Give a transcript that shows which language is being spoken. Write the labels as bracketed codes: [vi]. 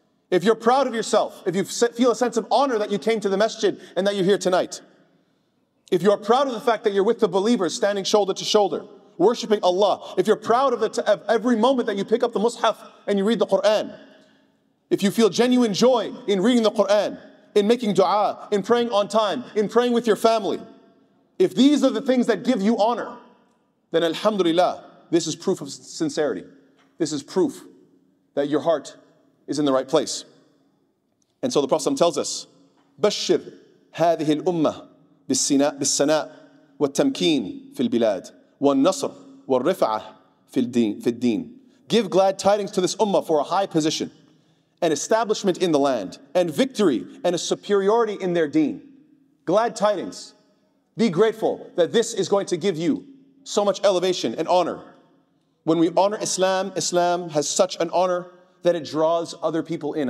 [en] If you're proud of yourself, if you feel a sense of honor that you came to the masjid and that you're here tonight, if you're proud of the fact that you're with the believers standing shoulder to shoulder, worshiping Allah, if you're proud of every moment that you pick up the mushaf and you read the Qur'an, if you feel genuine joy in reading the Qur'an, in making dua, in praying on time, in praying with your family, if these are the things that give you honor, then alhamdulillah, this is proof of sincerity. This is proof that your heart is in the right place. And so the Prophet tells us, [ar] بَشِّرْ هَذِهِ الْأُمَّةِ بِالسَّنَاءِ وَالتَّمْكِينِ فِي الْبِلَادِ وَالنَّصْرِ وَالرِّفَعَةِ فِي الدِّينِ. [en] Give glad tidings to this ummah for a high position, an establishment in the land, and victory, and a superiority in their deen. Glad tidings. Be grateful that this is going to give you so much elevation and honor. When we honor Islam, Islam has such an honor that it draws other people in.